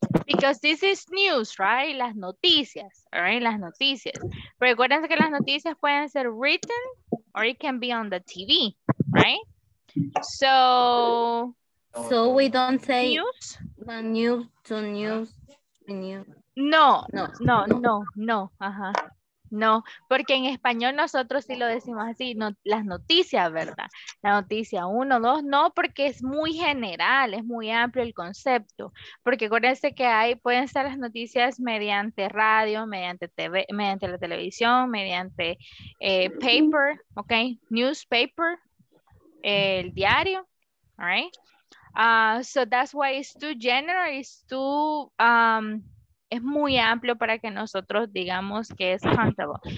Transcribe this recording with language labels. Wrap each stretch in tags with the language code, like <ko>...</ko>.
<en>Because this is news, right?</en> <es>Las noticias,</es> <en>all right? Las noticias.</en> <es>Recuerden que las noticias pueden ser</es> <en>written or it can be on the TV, right? So, so we don't say news, the news to news, the news.</en> <es>No, no, no, no, no, ajá. No, porque en español nosotros sí lo decimos así, no, las noticias, ¿verdad? La noticia 1, 2, no, porque es muy general, es muy amplio el concepto. Porque acuérdense que hay, pueden ser las noticias mediante radio, mediante TV, mediante la televisión, mediante paper, ¿ok? Newspaper, el diario, ¿alright?</es> <en>So that's why it's too general, it's too...</en> <es>es muy amplio para que nosotros digamos que es countable.</es>